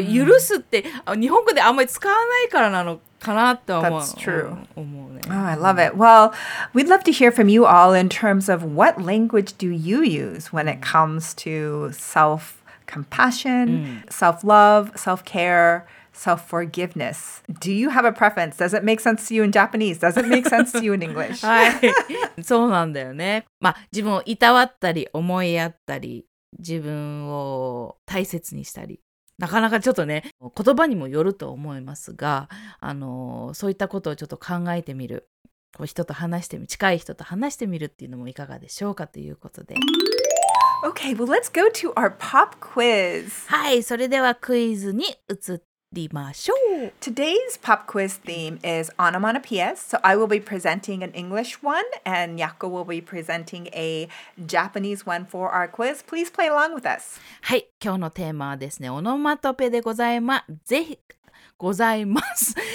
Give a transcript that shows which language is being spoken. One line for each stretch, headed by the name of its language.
Japanese: 許すって日本語であんまり使わないからなのかなって思う。
English: That's true. Oh, I love it. Well, we'd love to hear from you all in terms of what language do you use when it comes to self-compassion, self-love, self-care, self-forgiveness. Do you have a preference? Does it make sense to you in Japanese? Does it make sense to you in English?
Japanese: はい。そうなんだよね。まあ、自分をいたわったり、思いやったり、自分を大切にしたり。なかなかちょっとね、言葉にもよると思いますが、そういったことをちょっと考えてみる、こう人と話してみる、近い人と話してみるっていうのもいかがでしょうかということで。
English: Okay, well let's go to our pop quiz.
Japanese: はい、それではクイズに移りましょう。
English: Today's pop quiz theme is onomatopoeias, so I will be presenting an English one, and Yakko will be presenting a Japanese one for our quiz. Please play along with us.
Japanese: はい、今日のテーマはですね、オノマトペでございま、ぜひ、ございます。